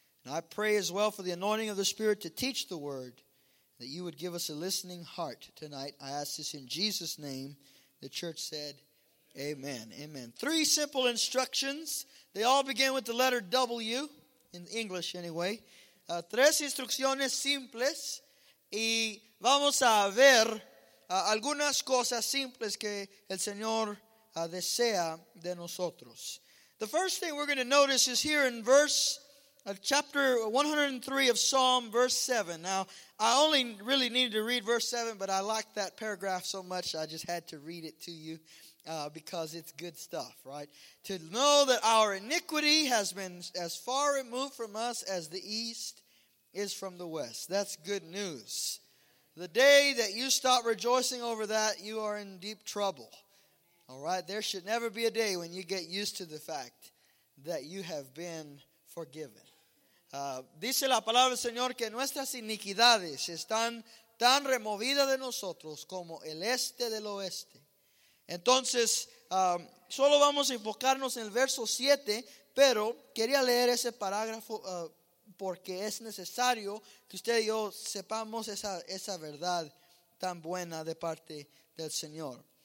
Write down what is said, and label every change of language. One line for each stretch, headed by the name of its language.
English: And I pray as well for the anointing of the Spirit to teach the word, that you would give us a listening heart tonight. I ask this in Jesus' name. The church said, amen. Amen. Three simple instructions. They all begin with the letter W, in English anyway.
Spanish: Tres instrucciones simples. Y vamos a ver algunas cosas simples que el Señor desea de nosotros.
English: The first thing we're going to notice is here in chapter 103 of Psalm, verse 7. Now, I only really needed to read verse 7, but I liked that paragraph so much I just had to read it to you. Because it's good stuff, right? To know that our iniquity has been as far removed from us as the east is from the west. That's good news. The day that you stop rejoicing over that, you are in deep trouble. All right? There should never be a day when you get used to the fact that you have been forgiven.
Spanish: Dice la palabra del Señor que nuestras iniquidades están tan removidas de nosotros como el este del oeste. Entonces, solo vamos a enfocarnos en el verso 7, pero quería leer ese parágrafo porque es necesario que usted y yo sepamos esa verdad tan buena de parte del Señor.